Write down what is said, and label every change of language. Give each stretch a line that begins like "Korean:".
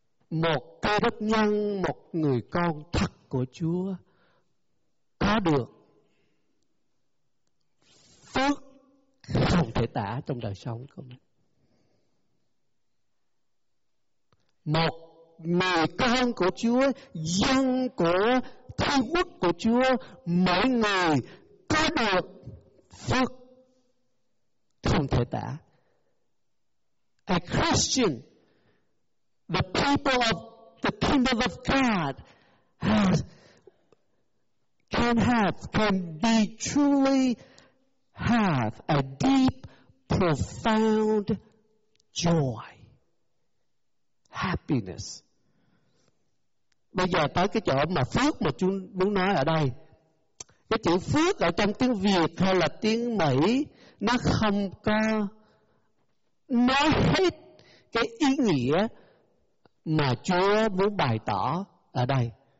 Vietnamese: Một cơ đốc nhân, một người con thật của Chúa có được phước không thể tả trong đời sống của mình. Một người con của Chúa, dân của thiên quốc của Chúa, mỗi người có được phước không thể tả.
English: A Christian, the people of the kingdom of God, has, can have, can be truly have a deep, profound joy, happiness.
Vietnamese: Bây giờ tới cái chỗ mà phước mà chúng muốn nói ở đây, cái chữ phước ở trong tiếng Việt hay là tiếng Mỹ, nó không có nói hết cái ý nghĩa mà Chúa muốn bày tỏ ở đây.